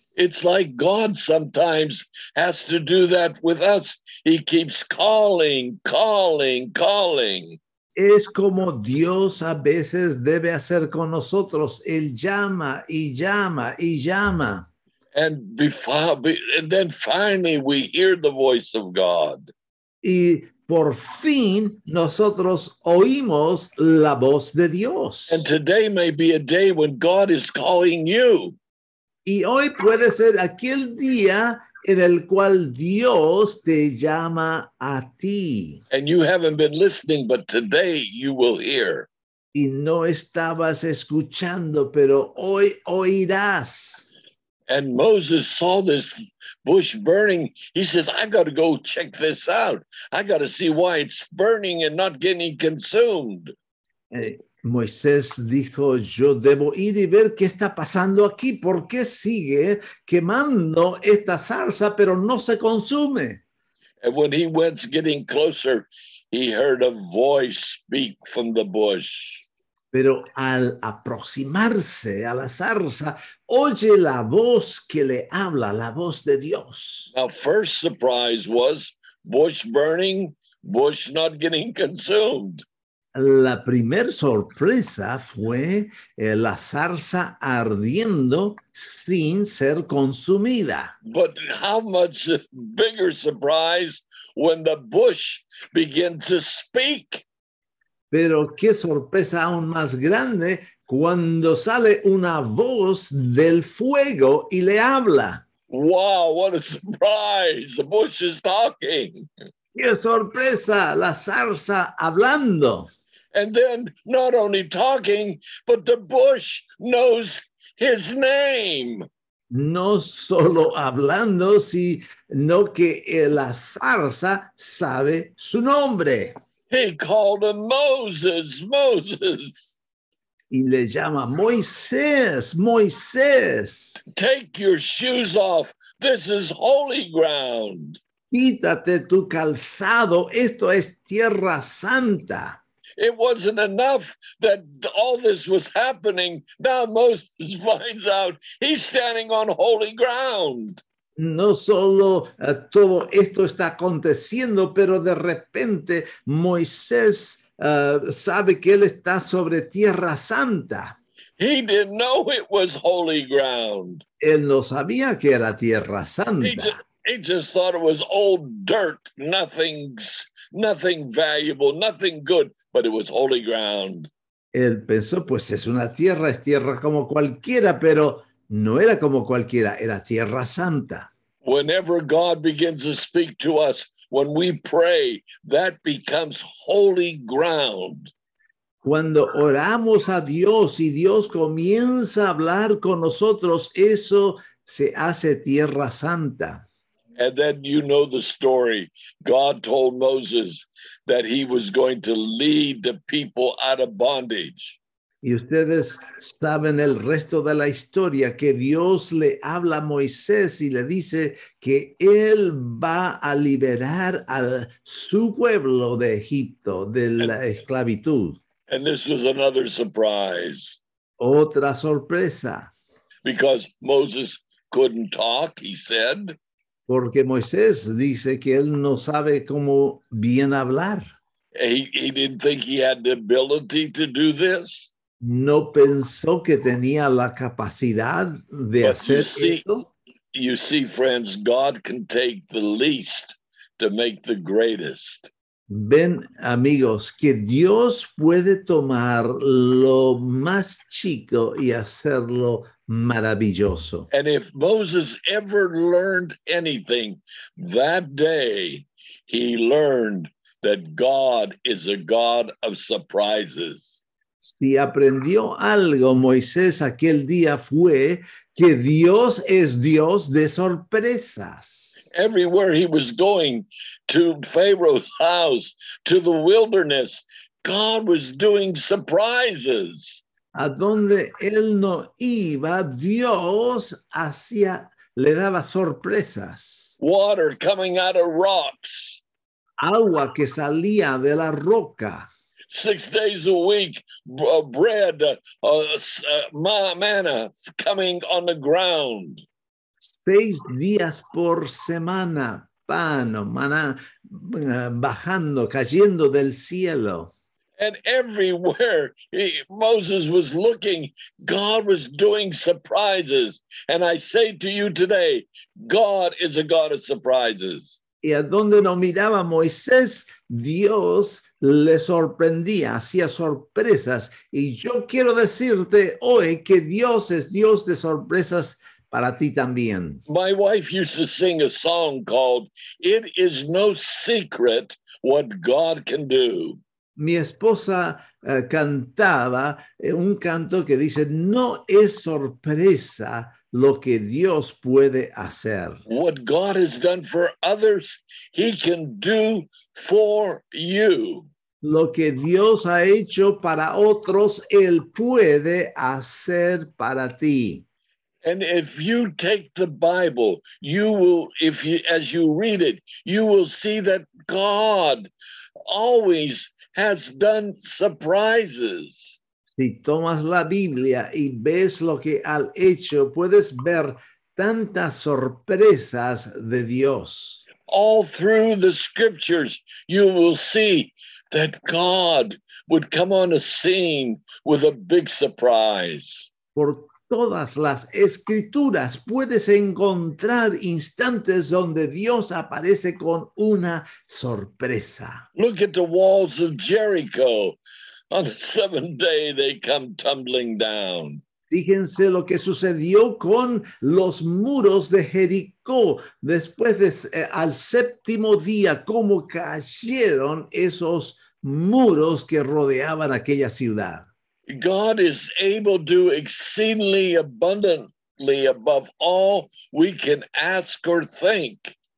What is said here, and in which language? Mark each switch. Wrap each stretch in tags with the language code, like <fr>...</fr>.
<en>It's like God sometimes has to do that with us. He keeps calling, calling, calling.</en> <es>Es como Dios a veces debe hacer con nosotros. Él llama y llama y llama.</es> <en>And then finally we hear the voice of God.</en> <es>Y por fin nosotros oímos la voz de Dios.</es> <en>And today may be a day when God is calling you.</en> <es>Y hoy puede ser aquel día en el cual Dios te llama a ti.</es> <en>And you haven't been listening, but today you will hear.</en> <es>Y no estabas escuchando, pero hoy oirás.</es> <en>And Moses saw this bush burning. He says, I got to go check this out. I got to see why it's burning and not getting consumed.</en> <es>Moisés dijo, yo debo ir y ver qué está pasando aquí. ¿Por qué sigue quemando esta zarza, pero no se consume?</es> <en>And when he went getting closer, he heard a voice speak from the bush.</en> <es>Pero al aproximarse a la zarza, oye la voz que le habla, la voz de Dios.</es> <en>Now, first surprise was bush burning, bush not getting consumed.</en> <es>La primera sorpresa fue la zarza ardiendo sin ser consumida.</es> <en>But how much bigger surprise when the bush began to speak.</en> <es>Pero qué sorpresa aún más grande cuando sale una voz del fuego y le habla.</es> <en>Wow, what a surprise! The bush is talking.</en> <es>Qué sorpresa, la zarza hablando.</es> <en>And then not only talking, but the bush knows his name.</en> <es>No solo hablando, sino que la zarza sabe su nombre.</es> <en>He called him Moses, Moses.</en> <es>Y le llama Moisés, Moisés.</es> <en>Take your shoes off. This is holy ground.</en> <es>Quítate tu calzado. Esto es tierra santa.</es> <en>It wasn't enough that all this was happening. Now Moses finds out he's standing on holy ground.</en> <es>No solo todo esto está aconteciendo, pero de repente Moisés sabe que él está sobre tierra santa.</es> <en>He didn't know it was holy ground.</en> <es>Él no sabía que era tierra santa.</es> <en>He just thought it was old dirt, nothing valuable, nothing good, but it was holy ground.</en> <es>Él pensó, pues es tierra como cualquiera, pero no era como cualquiera, era tierra santa.</es> <en>Whenever God begins to speak to us, when we pray, that becomes holy ground.</en> <es>Cuando oramos a Dios y Dios comienza a hablar con nosotros, eso se hace tierra santa.</es> <en>And then you know the story. God told Moses that he was going to lead the people out of bondage.</en> <es>Y ustedes saben el resto de la historia, que Dios le habla a Moisés y le dice que él va a liberar a su pueblo de Egipto, de la esclavitud.</es> <en>And this was another surprise.</en> <es>Otra sorpresa.</es> <en>Because Moses couldn't talk, he said.</en> <es>Porque Moisés dice que él no sabe cómo bien hablar.</es> <en>He didn't think he had the ability to do this.</en> <es>No pensó que tenía la capacidad de hacer esto.</es> <en>You see, friends, God can take the least to make the greatest.</en> <es>Ven, amigos, que Dios puede tomar lo más chico y hacerlo maravilloso.</es> <en>And if Moses ever learned anything that day, he learned that God is a God of surprises.</en> <es>Si aprendió algo Moisés aquel día fue que Dios es Dios de sorpresas.</es> <en>Everywhere he was going, to Pharaoh's house, to the wilderness, God was doing surprises.</en> <es>A donde él no iba, Dios hacía, le daba sorpresas.</es> <en>Water coming out of rocks.</en> <es>Agua que salía de la roca.</es> <en>6 days a week, bread, manna coming on the ground.</en> <es>6 días por semana, pan o maná bajando, cayendo del cielo.</es> <en>And everywhere Moses was looking, God was doing surprises. And I say to you today, God is a God of surprises.</en> <es>Y a donde no miraba Moisés, Dios le sorprendía, hacía sorpresas. Y yo quiero decirte hoy que Dios es Dios de sorpresas para ti también.</es> <en>My wife used to sing a song called, "It is no secret what God can do."</en> <es>Mi esposa cantaba un canto que dice, "No es sorpresa lo que Dios puede hacer."</es> <en>What God has done for others, he can do for you.</en> <es>Lo que Dios ha hecho para otros, él puede hacer para ti.</es> <en>And if you take the Bible, you will, if you, as you read it, you will see that God always has done surprises.</en> <es>Si tomas la Biblia y ves lo que ha hecho, puedes ver tantas sorpresas de Dios.</es> <en>All through the scriptures, you will see that God would come on a scene with a big surprise.</en> <es>Por todas las escrituras puedes encontrar instantes donde Dios aparece con una sorpresa.</es> <en>Look at the walls of Jericho. On the seventh day they come tumbling down.</en> <es>Fíjense lo que sucedió con los muros de Jericó después de al séptimo día, cómo cayeron esos muros que rodeaban aquella ciudad.</es> <en>God is able to exceedingly abundantly above all we can ask or think.</en>